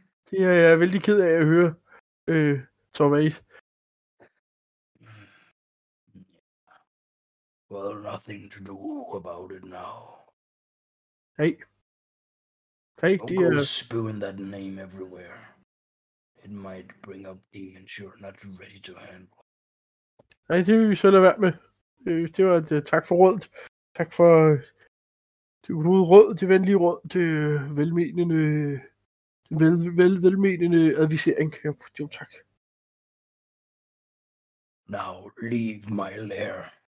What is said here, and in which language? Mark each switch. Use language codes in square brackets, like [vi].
[da] Det er jeg vældig ked af at høre, Thomas. [en] Well, nothing to do about it now. Hey. Hey, don't go spewing that name everywhere. It might bring up demons you're not ready to handle. [da] Nej, det vil vi så lade være med. Det var et tak for rådet. Tak for det gode råd, det venlige råd, det velmenende velmenende advisering. Jo, tak. [en] Now leave my lair.